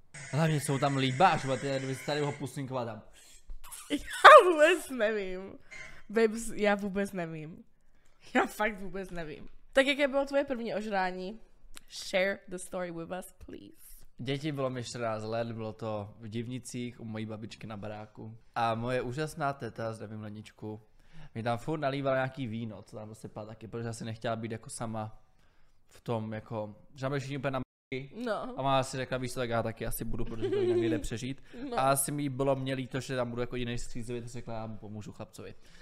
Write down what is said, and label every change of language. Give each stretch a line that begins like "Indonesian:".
Czech: Hlavně jsou tam líbáš, bo ty jsi tady ho pusinkovat tam. Já vůbec nevím. Babes, já vůbec nevím. Já fakt vůbec nevím. Tak jaké bylo tvoje první ožrání?
English: Share the story with us, please.
Czech: Děti, bylo mi 14 let, bylo to v divnicích u mojí babičky na baráku. A moje úžasná teta, zdravím Leničku, mi tam furt nalívala nějaký víno, co tam prostě padá taky, protože asi nechtěla být jako sama v tom, jako, že tam byli všichni úplně na m***y. No. A mám asi řekla, víš to, tak já taky asi budu, protože to jinak nejde přežít. No. A asi mi bylo mě líto, že tam budu jako jiný střízlivý, tak řekla, já mu pomůžu chlapcovi.